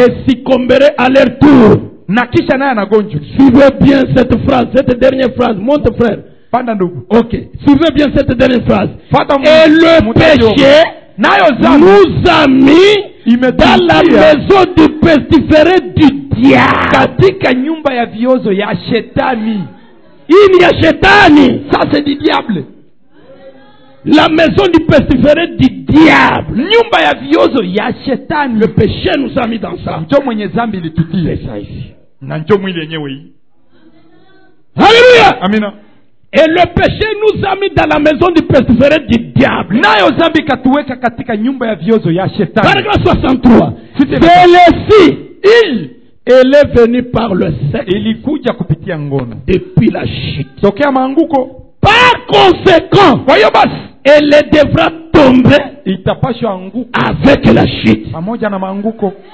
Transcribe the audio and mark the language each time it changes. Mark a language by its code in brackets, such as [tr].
[fr] Et succomberaient à leur tour. [sw] Nakisha naye anagonjwa. [fr] Suivez bien cette phrase, cette dernière phrase. Monte frère. [sw] Panda ndugu. Ok. [fr] Suivez bien cette dernière phrase. [sw] Fata [fr] et le péché nous a mis dans la maison du pestiféré du diable. [sw] Katika nyumba ya viozo ya shetani. Hii ni ya shetani. [fr] Ça c'est du diable. La maison du pestiféré du diable. [sw] Nyumba ya viozo ya shetani. [fr] Le péché nous a mis dans ça. [sw] Njo mwenye zambi litutie. [fr] C'est ça ici. [sw] Na njo mwili yenyewe hii. Alléluia. Amina. [fr] Et le péché nous a mis dans la maison du pestiféré du diable. [sw] Nayo zambi katuweka katika nyumba ya viozo ya shetani. [fr] Paragraphe 63. Celle-ci. Elle est venue par le sexe. [sw] Ilikuja kupitia ngono. [fr] Depuis la chute. [sw] Tokea maanguko. [fr] Par conséquent, voyons, elle devra tomber avec la chute. [sw] Pamoja na maanguko.